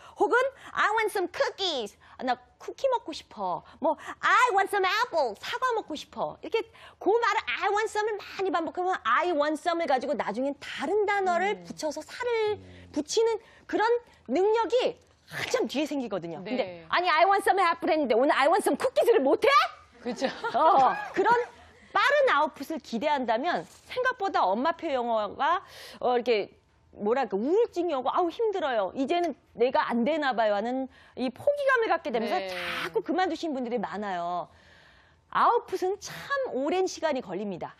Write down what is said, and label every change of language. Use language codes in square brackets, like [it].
[ko] 혹은 [en] I want some cookies, [ko] 나 쿠키 먹고 싶어. 뭐 [en] I want some apple, [ko] 사과 먹고 싶어. 이렇게 그 말을 [en] I want some [ko] 을 많이 반복하면 I want some을 가지고 나중엔 다른 단어를 붙여서 살을 붙이는 그런 능력이 한참 뒤에 생기거든요. 네. 근데 아니 [en] I want some apple [ko] 했는데 오늘 [en] I want some cookies [ko] 를 못해? 그렇죠. 그런 빠른 아웃풋을 기대한다면 생각보다 엄마표 영어가 이렇게 뭐랄까 우울증이 오고 아우 힘들어요. 이제는 내가 안 되나 봐요 하는 이 포기감을 갖게 되면서 네. 자꾸 그만두신 분들이 많아요. 아웃풋은 참 오랜 시간이 걸립니다.